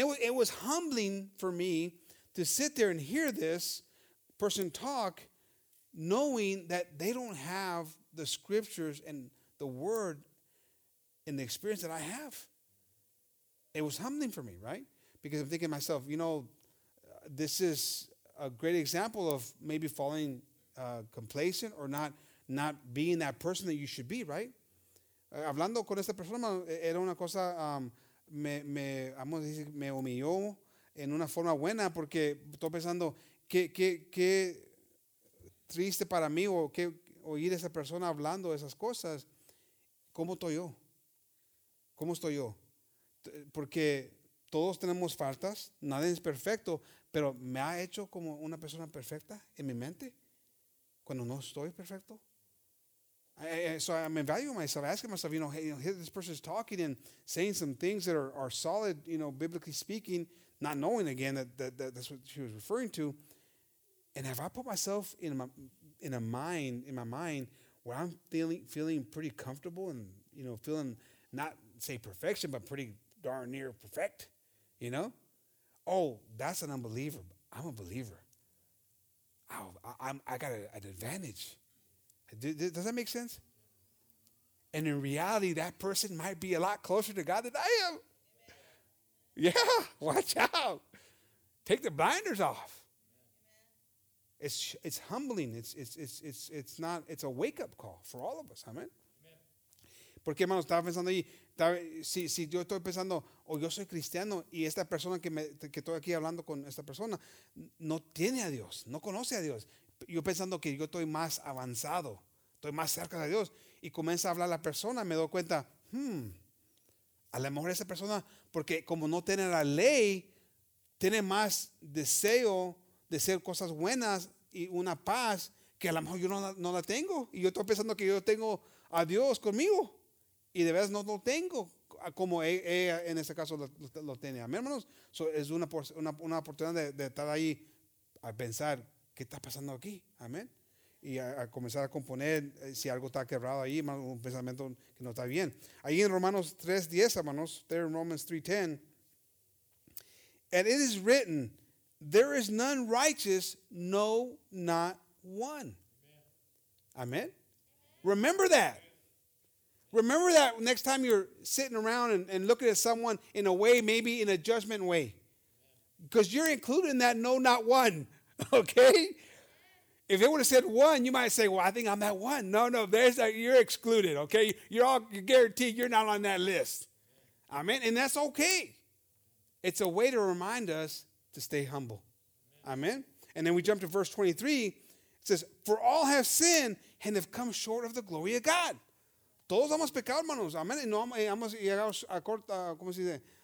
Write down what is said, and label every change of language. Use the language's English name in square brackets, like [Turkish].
[English] And it was humbling for me to sit there and hear this person talk, knowing that they don't have the scriptures and the word and the experience that I have. It was humbling for me, right? Because I'm thinking to myself, you know, this is a great example of maybe falling complacent or not being that person that you should be, right? [Spanish] Hablando con esta persona, era una cosa, me humilló en una forma buena porque estoy pensando qué triste para mí oír a esa persona hablando esas cosas, ¿cómo estoy yo? ¿Cómo estoy yo? Porque todos tenemos faltas, nadie es perfecto, pero ¿me ha hecho como una persona perfecta en mi mente cuando no estoy perfecto? [English] So I'm evaluating myself, asking myself, you know, hey, you know, this person is talking and saying some things that are solid, you know, biblically speaking, not knowing again that that's what she was referring to. And have I put myself in my mind where I'm feeling pretty comfortable and, you know, feeling not say perfection, but pretty darn near perfect, you know? Oh, that's an unbeliever. I'm a believer. I got an advantage. Does that make sense? And in reality, that person might be a lot closer to God than I am. Amen. Yeah, watch out. Take the blinders off. It's humbling. It's not. It's a wake up call for all of us. [Spanish] Amen. Porque hermanos, estaba pensando ahí. Si yo estoy pensando, o yo soy cristiano y esta persona que estoy aquí hablando con esta persona no tiene a Dios, no conoce a Dios. Yo pensando que yo estoy más avanzado. Estoy más cerca de Dios. Y comienza a hablar la persona. Me doy cuenta. A lo mejor esa persona, porque como no tiene la ley, tiene más deseo de hacer cosas buenas y una paz que a lo mejor yo no la tengo. Y yo estoy pensando que yo tengo a Dios conmigo. Y de verdad no tengo como ella en este caso lo tiene. Amén, hermanos. So, es una oportunidad de estar ahí a pensar qué está pasando aquí. Amén. Y a comenzar a componer si algo está quebrado ahí, un pensamiento que no está bien. Ahí en Romanos 3:10, hermanos, [English] there in Romans 3:10. And it is written, there is none righteous, no, not one. Amen. Remember that. Remember that next time you're sitting around and looking at someone in a way, maybe in a judgment way. Because you're including that no, not one. Okay? If they would have said one, you might say, well, I think I'm that one. No, you're excluded, okay? You're guaranteed you're not on that list. Amen? And that's okay. It's a way to remind us to stay humble. Amen? And then we jump to verse 23. It says, for all have sinned and have come short of the glory of God. [Spanish] Todos hemos pecado, hermanos. Amen? Y no hemos llegado a corta, ¿cómo se dice?